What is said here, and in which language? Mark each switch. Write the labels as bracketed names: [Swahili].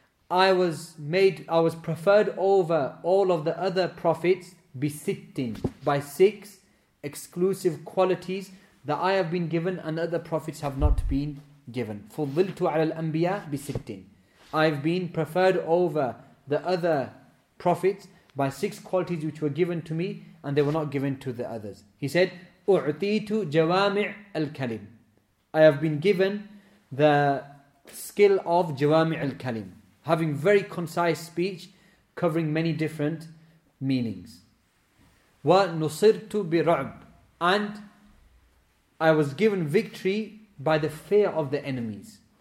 [English] I was preferred over all of the other prophets besitting by six exclusive qualities that I have been given and other prophets have not been given. [Arabic] فُضِّلْتُ عَلَى الْأَنْبِيَاءِ بِسِتِّينَ. [English] I've been preferred over the other prophets by six qualities which were given to me and they were not given to the others. He said, [Arabic] أُعْطِيتُ جَوَامِعَ الْكَلِمِ. [English] I have been given the skill of [Arabic] جَوَامِعَ الْكَلِمِ, [English] having very concise speech, covering many different meanings. [Arabic] وَنُصِرْتُ بِرَعْبِ. [English] And I was given victory by the fear of the enemies.